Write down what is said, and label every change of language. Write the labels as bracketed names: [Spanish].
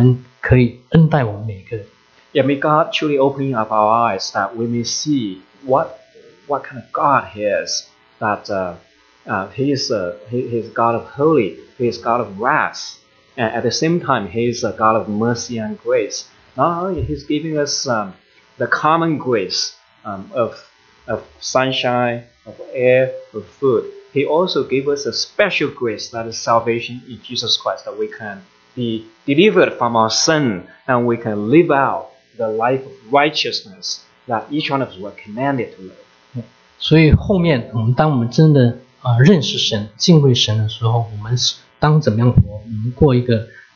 [Chinese] 真认识神是那位造我们的，而且眷顾我们的，不是叫我们在赐给我们普遍的恩典，赐给我们特殊的恩典，叫我们不至灭亡，反得永生，在今世我们可以恩待我们每个人。 [English] Yeah, may God truly open up our eyes that we may see what kind of God He is. That He is God of holy, He is God of wrath, and at the same time He is a God of mercy and grace. Not only He's giving us the common grace of sunshine, of air, of food, He also gave us a special grace that is salvation in Jesus Christ, that we can be delivered from our sin and we can live out the life of righteousness that each one of us were commanded to live. [Chinese] 所以后面我们当我们真的认识神、敬畏神的时候，我们当怎么样活？我们过一个。